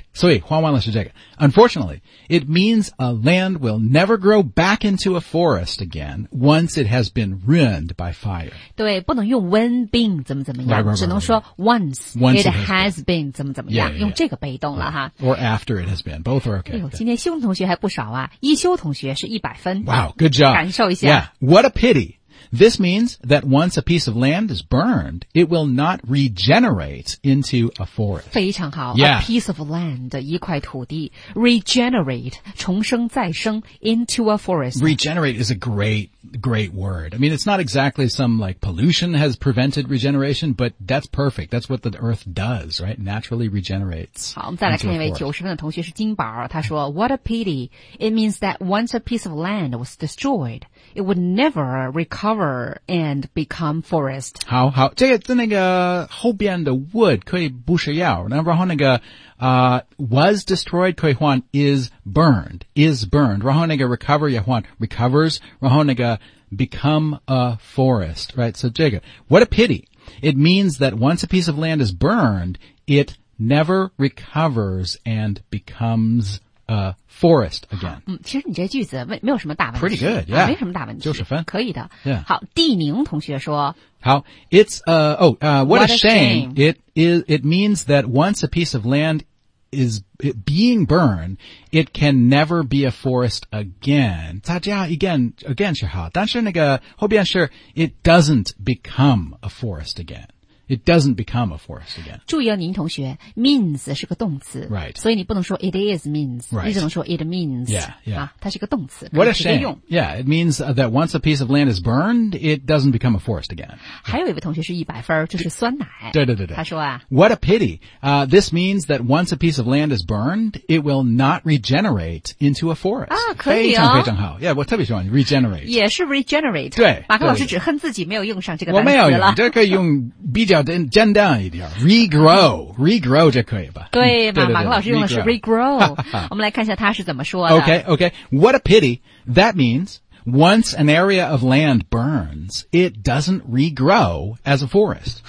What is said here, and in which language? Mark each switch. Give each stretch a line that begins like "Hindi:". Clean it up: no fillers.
Chinese: 所以换完了是这个
English: Unfortunately, it means a land will never grow back into a forest again once it has been ruined by fire.
Chinese: 对不能用
English: when been
Chinese: 怎么怎么样
English: right, right, right,
Chinese: 只能说
English: once it has been
Chinese: 怎么怎么样
English: yeah, yeah,
Chinese: 用这个被动了哈
English: right, Or after it has been, both are okay.
Chinese: 哎呦今天修同学还不少啊一修同学是100分
English: Wow, good job.
Chinese: 感受一下
English: Yeah, what a pity. This means that once a piece of land is burned, it will not regenerate into a forest.
Chinese: 非常好、
English: yeah. A piece of land,
Chinese: 一块土地
English: Regenerate,
Chinese: 重生再生
English: into a forest. Regenerate is a great great word. I mean, it's not exactly some like pollution has prevented regeneration, but that's perfect. That's what the earth does, right? Naturally regenerates.
Chinese: 好，我们再来看一位九十分的同学是金宝，他说 ，
English: What a pity! It means that once a piece of land was destroyed, it would never recover and become forest.
Chinese: 好好，这个是那个后边的 wood 可以不需要，那然后那个
English: was destroyed
Chinese: 可以换
English: is burned
Chinese: 然后那个 recover 也换 recovers 然后那个
English: become a forest, right? So
Chinese: 这个
English: what a pity. It means that once a piece of land is burned, it never recovers and becomes a forest again.
Chinese: 其实你这句子没有什么大问题。
English: Pretty good, yeah.
Chinese: 没什么大问题。就是分。可以的。
English: Yeah.
Chinese: 好，地宁同学说
English: How it's what a shame. It means that once a piece of land is being burned, it can never be a forest again.
Chinese: 大家 again 是好，但是那个后边是
English: it doesn't become a forest again. It doesn't become a forest again.
Chinese: 注意啊，您同学 means 是个动词
English: ，right?
Chinese: 所以你不能说
English: it is means， right.
Chinese: 你只能说
English: it means. Yeah, yeah.、
Chinese: 啊、它是个动词
English: ，what a shame. Yeah, it means that once a piece of land is burned, it doesn't become a forest again.
Chinese: 还有一位同学是100分，就是酸奶。对，他说啊
English: ，what a pity. This means that once a piece of land is burned, it will not regenerate into a forest.
Chinese: 啊，可以哦，非常非常好。
English: Yeah,
Chinese: 我特别喜欢 regenerate.
English: 也是 regenerate.
Chinese: 对，马克老师只恨自己没有用上这个单词了。我没有用，这可以用比较。简单一点 regrow 就可以吧对吧马克老师用的是 regrow 我们来看一下他是怎么说的
English: okay. What a pity. That means once an area of land burns, it doesn't regrow as a forest.